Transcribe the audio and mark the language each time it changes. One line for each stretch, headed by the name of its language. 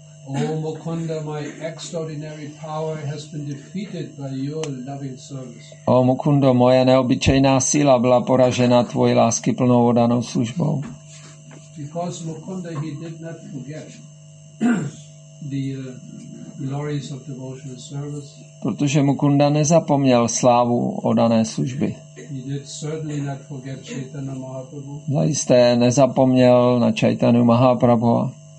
English: Oh, Mukunda, my extraordinary power has been defeated by your loving service.
Czech: O Mukundo, moje neobyčejná síla byla poražena tvojí láskyplnou oddanou službou.
English: Because Mukunda, he did not forget the glories of devotional service.
Czech: Protože Mukunda nezapomněl slávu oddané služby.
English: He did certainly not forget Chaitanya Mahaprabhu.
Czech: Zajisté nezapomněl na Chaitanya Mahaprabhu.